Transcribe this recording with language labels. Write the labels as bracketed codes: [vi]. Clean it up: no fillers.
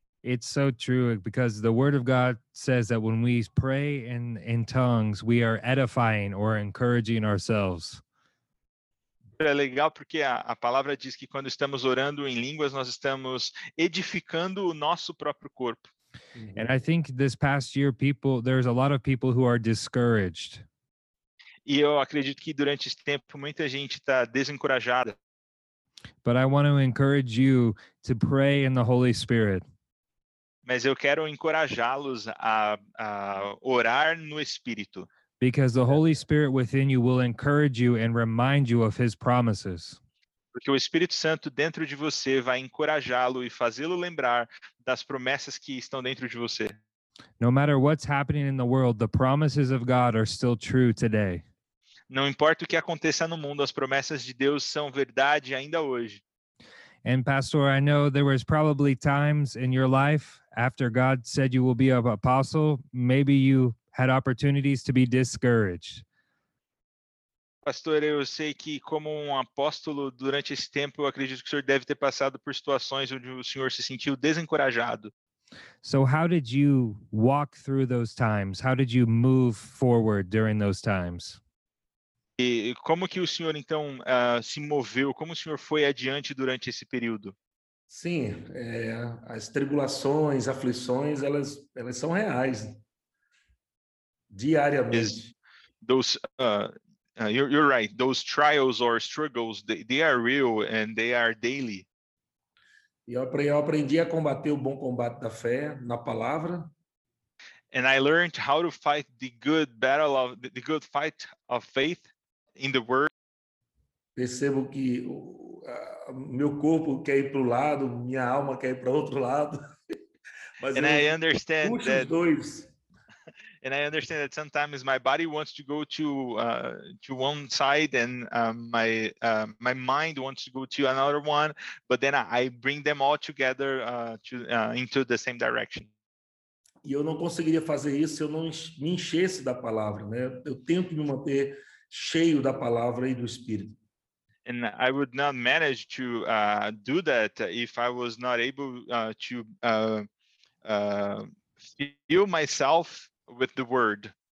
[en] It's so true, because the word of God says that when we pray in tongues, we are edifying or encouraging ourselves. [pt] É legal porque a palavra diz que quando estamos orando em línguas, nós estamos edificando o nosso próprio corpo. [en] And I think this past year, there's a lot of people who are discouraged. [pt] E eu acredito que durante esse tempo, muita gente está desencorajada. [en] But I want to encourage you to pray in the Holy Spirit. [pt] Mas eu quero encorajá-los a orar no Espírito. [en] Because the Holy Spirit within you will encourage you and remind you of His promises. [pt] Porque o Espírito Santo dentro de você vai encorajá-lo e fazê-lo lembrar das promessas que estão dentro de você. [en] No matter what's happening in the world, the promises of God are still true today. [pt] Não importa o que aconteça no mundo, as promessas de Deus são verdade ainda hoje. [en] And Pastor, I know there was probably times in your life after God said you will be an apostle, maybe you had opportunities to be discouraged. [pt] Pastor, eu sei que como apóstolo, durante esse tempo, eu acredito que o senhor deve ter passado por situações onde o senhor se sentiu desencorajado. [en] So how did you walk through those times? How did you move forward during those times? [pt] E como que o senhor, então, se moveu? Como o senhor foi adiante durante esse período? Sim, as tribulações, aflições, elas são reais. Diariamente. [en] You're right. Those trials or struggles, they are real and they are daily. [pt] E eu aprendi a combater o bom combate da fé na palavra. [en] And I learned how to fight the good fight of faith in the word. [pt] Percebo que meu corpo quer ir para o lado, minha alma quer ir para outro lado. [en] And I understand that sometimes my body wants to go to one side and my mind wants to go to another one, but then I bring them all together into the same direction. [pt] E eu não conseguiria fazer isso se eu não me enchesse da palavra, né? Eu tenho que me manter cheio da palavra e do Espírito. [en] And I would not manage to do that if I was not able to fill myself with the word.